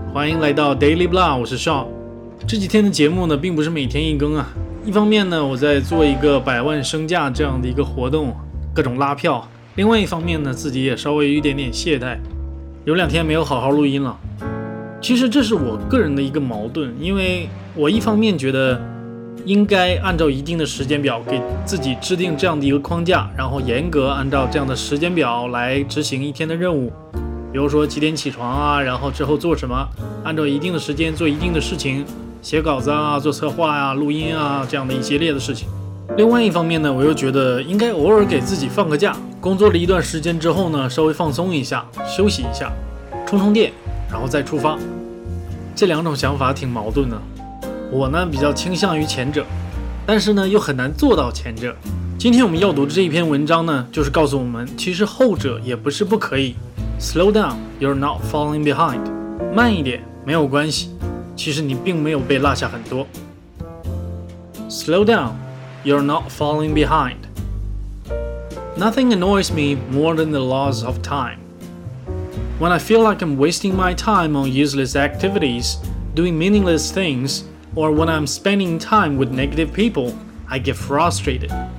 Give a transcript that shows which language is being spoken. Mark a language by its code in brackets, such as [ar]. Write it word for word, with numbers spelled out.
[zh] 欢迎来到 Daily Blah， 我是 Sean。这几天的节目呢，并不是每天一更啊。一方面呢，我在做一个百万身价这样的一个活动，各种拉票；另外一方面呢，自己也稍微有一点点懈怠，有两天没有好好录音了。其实这是我个人的一个矛盾，因为我一方面觉得应该按照一定的时间表给自己制定这样的一个框架，然后严格按照这样的时间表来执行一天的任务，比如说几点起床啊，然后之后做什么，按照一定的时间做一定的事情，写稿子啊，做策划啊，录音啊，这样的一系列的事情。另外一方面呢，我又觉得应该偶尔给自己放个假，工作了一段时间之后呢，稍微放松一下，休息一下，充充电，然后再出发。这两种想法挺矛盾的，我呢比较倾向于前者，但是呢又很难做到前者。今天我们要读的这一篇文章呢，就是告诉我们，其实后者也不是不可以。 [en] Slow down, you're not falling behind。 [zh] 慢一点没有关系，其实你并没有被落下很多。 [en] Slow down, you're not falling behind. Nothing annoys me more than the loss of time. When I feel like I'm wasting my time on useless activities, doing meaningless things,or when I'm spending time with negative people, I get frustrated.